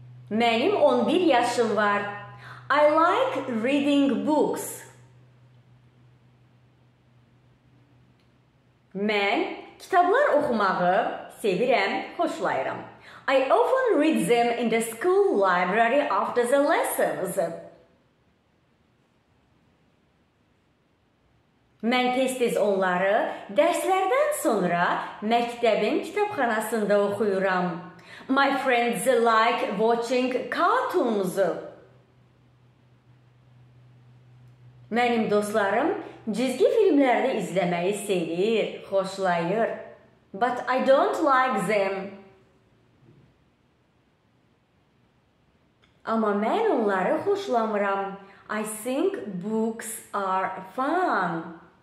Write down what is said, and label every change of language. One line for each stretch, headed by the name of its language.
Azerbaijani: Mənim 11 yaşım var.
English: I like reading books.
Azerbaijani: Mən kitablar oxumağı sevirəm, xoşlayıram.
English: I often read them in the school library after the lessons.
Azerbaijani: Mən tez-tez onları dərslərdən sonra məktəbin kitabxanasında oxuyuram.
English: My friends like watching cartoons.
Azerbaijani: Mənim dostlarım cizgi filmləri izləməyi sevir, xoşlayır.
English: But I don't like them.
Azerbaijani: Amma mən onları xoşlamıram.
English: I think books are fun.